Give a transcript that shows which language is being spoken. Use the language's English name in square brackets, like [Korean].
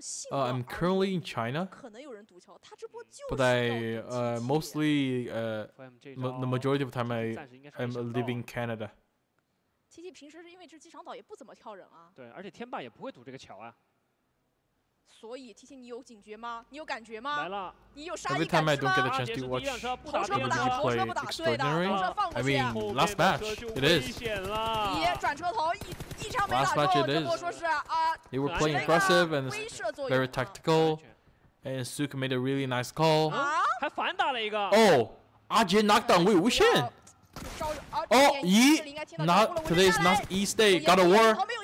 [English] I'm currently in China, but the majority of time I'm living in Canada. [Chinese] TT 平时是因为这机场岛也不怎么跳人啊。对，而且天霸也不会堵这个桥啊。所以 TT 你有警觉吗？你有感觉吗？来了，你有杀意感吗？啊，杰斯第一辆车不打头车不打头车不打，对的，头车放不下。 [English] I mean, last match, it is. [Chinese] 别转车头，一枪没打中，这波说是啊。 [English] They were playing aggressive and very tactical, and Suk made a really nice call. [Chinese] 啊，还反打了一个。 [English] Oh, 阿杰 knock down 魏无羡。 Oh, Yi, today is not East Day, got a war.